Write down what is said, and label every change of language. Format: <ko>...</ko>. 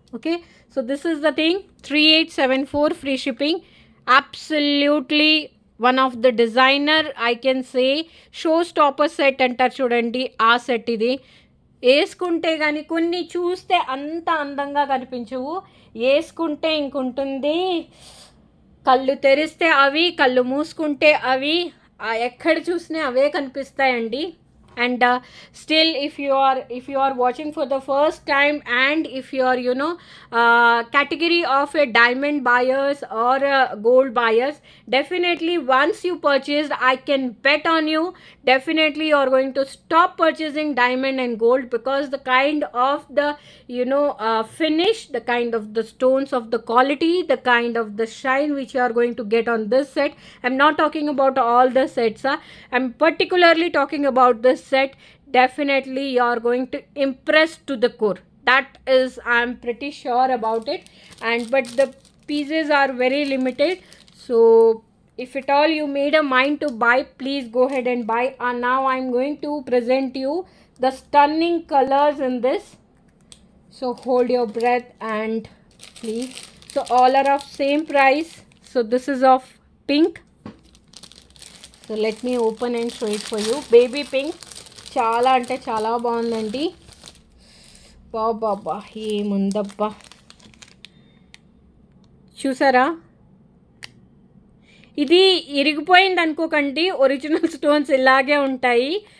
<en>okay, so this is the thing, 3874 free shipping, absolutely one of the designer I can say showstopper set</en> <te>అంటారు చూడండి ఆ set. ఇది వేసుకుంటే కానీ కొన్ని చూస్తే అంత అందంగా కనిపించవు, వేసుకుంటే ఇంకుంటుంది, కళ్ళు తెరిస్తే అవి, కళ్ళు మూసుకుంటే అవి, ఎక్కడ చూసినా అవే కనిపిస్తాయండి.</te> <en>And still, if you are watching for the first time, and if you are, you know, category of a diamond buyers or a gold buyers, definitely once you purchased, I can bet on you, definitely you are going to stop purchasing diamond and gold, because the kind of the, you know, finish, the kind of the stones of the quality, the kind of the shine which you are going to get on this set. I'm not talking about all the sets, I'm particularly talking about this set. Definitely you are going to impress to the core, that is I am pretty sure about it. And but the pieces are very limited, so if at all you made a mind to buy, please go ahead and buy. And now I am going to present you the stunning colors in this, so hold your breath and please. So all are of same price, so this is of pink, so let me open and show it for you.</en> <te>Baby pink, చాలా అంటే చాలా బాగుందండి. బాబాబా ఏముందబ్బా, చూసారా, ఇది ఇరిగిపోయింది అనుకోకండి, original stones ఇలాగే ఉంటాయి.</te>